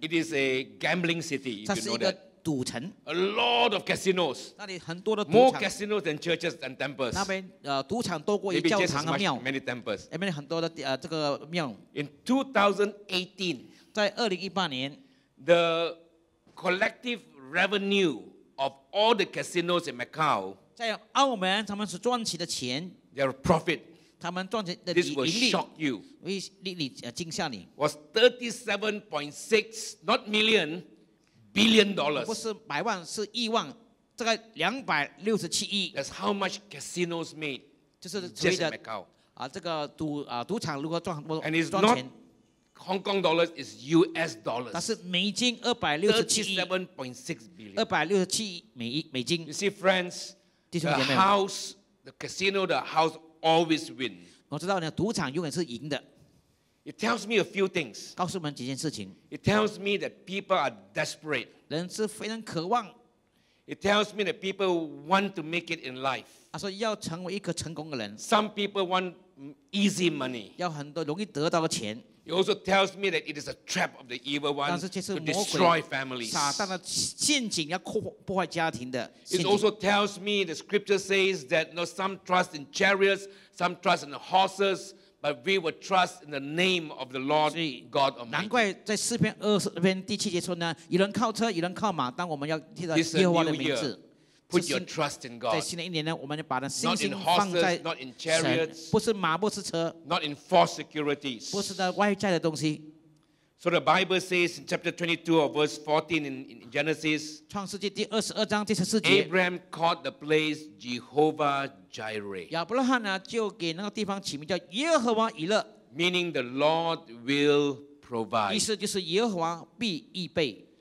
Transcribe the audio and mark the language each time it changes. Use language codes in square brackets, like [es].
[en] it is a gambling city, if you know that. A lot of casinos. More casinos than churches and temples. [zh] 那边, 赌场多过于教堂和庙, [en] many temples. [zh] 那边很多的, 这个庙, [en] in 2018, the collective revenue of all the casinos in Macau, [zh] 在澳门, 他们所赚起的钱, [en] their profit, [zh] 他们赚钱的, [en] this [zh] 盈利, [en] will shock you. [zh] 为你, 惊吓你, [en] was 37.6, not million, billion dollars. [zh] 不是百万, 是亿万, 这个267亿, [en] that's how much casinos made. [zh] 就是所谓的, [en] just in Macau. [zh] 这个, 赌, [en] and it's not Hong Kong dollars, it's US dollars. [zh] 但是美金267亿, [en] 37.6 billion. You see, friends, [zh] 弟兄姐妹, [en] the house, the casino, the house always win. [zh] 我知道呢，赌场永远是赢的。 [en] It tells me a few things. [zh] 告诉我们几件事情。 [en] It tells me that people are desperate. [zh] 人是非常渴望。 [en] It tells me that people want to make it in life. [zh] 他说要成为一个成功的人。 [en] Some people want easy money. [zh] 要很多容易得到的钱。 [en] It also tells me that it is a trap of the evil one to destroy families. [zh] 撒旦的陷阱要破坏家庭的。 [en] It also tells me the scripture says that, you know, some trust in chariots, some trust in the horses, but we will trust in the name of the Lord God Almighty. [zh] 难怪在诗篇二十篇第七节说呢，有人靠车，有人靠马，但我们要记得耶和华的名字。 [en] This is a new year. Put your trust in God. [zh] 在新的一年呢，我们要把那信心放在神。 [en] Not in horses, not in chariots. [zh] 不是马，不是车。 [en] Not in false securities. [zh] 不是那外在的东西。 [en] So the Bible says in chapter 22 of verse 14 in Genesis. [zh] 创世纪第二十二章第十四节。 [en] Abraham called the place Jehovah Jireh. [zh] 亚伯拉罕呢，就给那个地方起名叫耶和华以勒。 [en] Meaning the Lord will provide. [zh] 意思就是耶和华必预备。